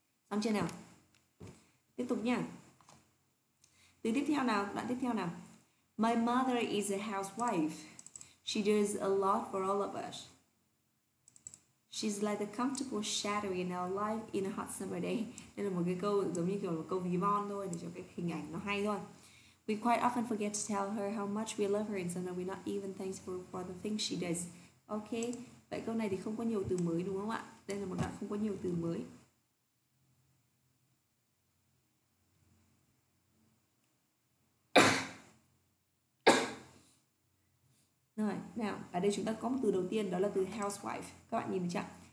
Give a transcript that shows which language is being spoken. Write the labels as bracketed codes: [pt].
[vi] Xong chưa nào? Tiếp tục nha. Từ tiếp theo nào? Đoạn tiếp theo nào? [en] My mother is a housewife. She does a lot for all of us. She's like a comfortable shadow in our life in a hot summer day. [vi] Đây là một cái câu giống như kiểu là câu ví von thôi, để cho cái hình ảnh nó hay thôi. [en] We quite often forget to tell her how much we love her and sometimes we're not even thankful for the things she does. [vi] Ok, vậy câu này thì không có nhiều từ mới đúng không ạ? Đây là một đoạn không có nhiều từ mới. Rồi, nào, ở đây chúng ta có một từ đầu tiên, đó là từ housewife. Các bạn nhìn thấy chưa?